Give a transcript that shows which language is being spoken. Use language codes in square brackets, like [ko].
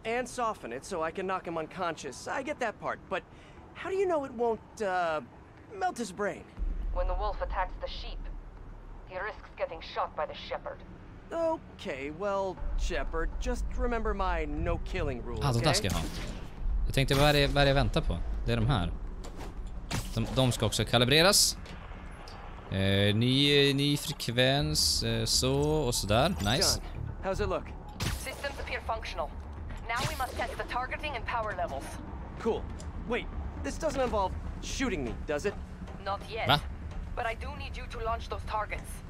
[en] And soften it so I can knock him unconscious. I get that part, but how do you know it won't melt his brain? When the wolf attacks the sheep, he risks getting shot by the shepherd. Okay, well, Shepard, just remember my no-killing rule, okay? [sv] Ah, de där ska jag ha. Jag tänkte, vad är jag väntar på? Det är de här. De ska också kalibreras. Ny frekvens, så och sådär. [en] Nice. How's it look? Systems appear functional. Now we must test the targeting and power levels. Cool. Wait, this doesn't involve shooting me, does it? Not yet. [sv] Va? [en] But I do need you to launch those targets.